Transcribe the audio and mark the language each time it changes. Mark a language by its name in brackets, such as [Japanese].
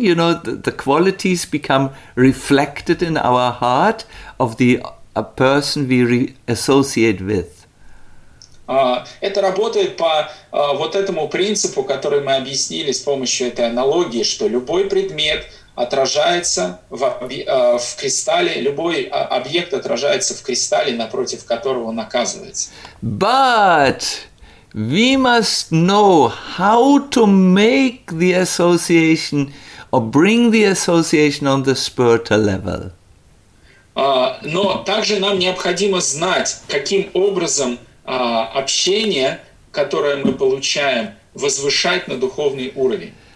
[English] You know, the qualities become reflected in our heart of the person we associate with. [Russian] Это работает по вот этому принципу, который мы объяснили с помощью этой аналогии, что любой предмет отражается в кристалле, любой объект отражается в кристалле, напротив которого он оказывается. [English] But we must know how to make the association or bring the association on the spiritual level. [Russian] Но также нам необходимо знать, каким образом общение, которое мы получаем, возвышать на духовный уровень.